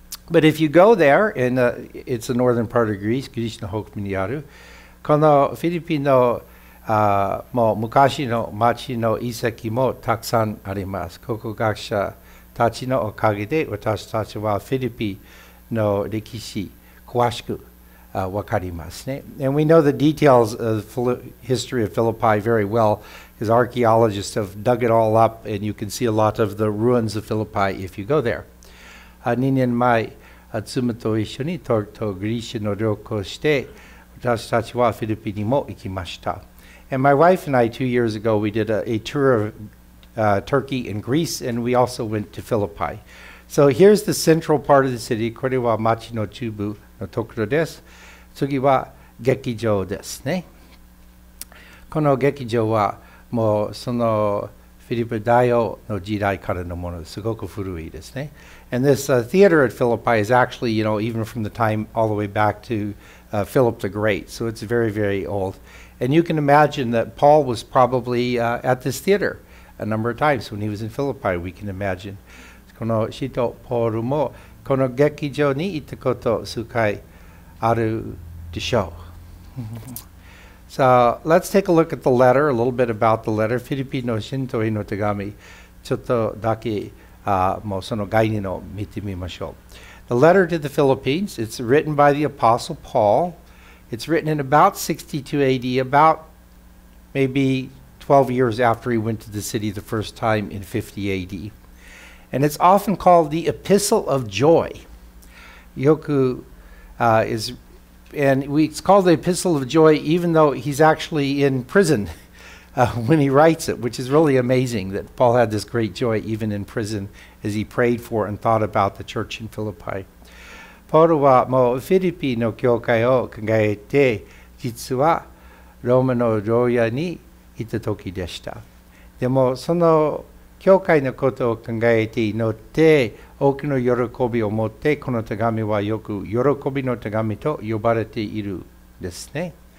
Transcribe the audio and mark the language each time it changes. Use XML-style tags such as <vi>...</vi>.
<en>But if you go there, and it's the northern part of Greece,</en> <ja>ギリシャの北部にある、このフィリピンの、もう昔の町の遺跡もたくさんあります。考古学者たちのおかげで私たちはフィリピンの歴史、詳しく分かりますね。</ja> <en>And we know the details of the history of Philippi very well, because archaeologists have dug it all up, and you can see a lot of the ruins of Philippi if you go there.</en> <ja>2年前、妻と一緒にトルコ、グリシアの旅行して、私たちはフィリピンにも行きました。</ja> <en>And my wife and I, 2 years ago, we did a tour of Turkey and Greece, and we also went to Philippi. So here's the central part of the city.</en> <ja>これは町の中部のところです。次は劇場ですね。この劇場はもうそのフィリップ大王の時代からのものです。すごく古いですね。</ja> <en>And this theater at Philippi is actually, you know, even from the time all the way back to Philip the Great. So it's very, very old. And you can imagine that Paul was probably at this theater a number of times when he was in Philippi, we can imagine.</en> <ja>この使徒ポールもこの劇場に行ったこと数回あるでしょう。</ja> <en>So let's take a look at the letter, a little bit about the letter.</en> <ja>フィリピの信徒への手紙、ちょっとだけもうその概念を見てみましょう。</ja> <en>The letter to the Philippines, it's written by the Apostle Paul. It's written in about 62 AD, about maybe 12 years after he went to the city the first time in 50 AD. And it's often called the Epistle of Joy. It's called the Epistle of Joy even though he's actually in prison when he writes it, which is really amazing that Paul had this great joy even in prison as he prayed for and thought about the church in Philippi.</en> <ja>ポールはもうフィリピの教会を考えて、実はローマの牢屋に行った時でした。でもその教会のことを考えて祈って、多くの喜びを持って、この手紙はよく喜びの手紙と呼ばれているですね。</ja>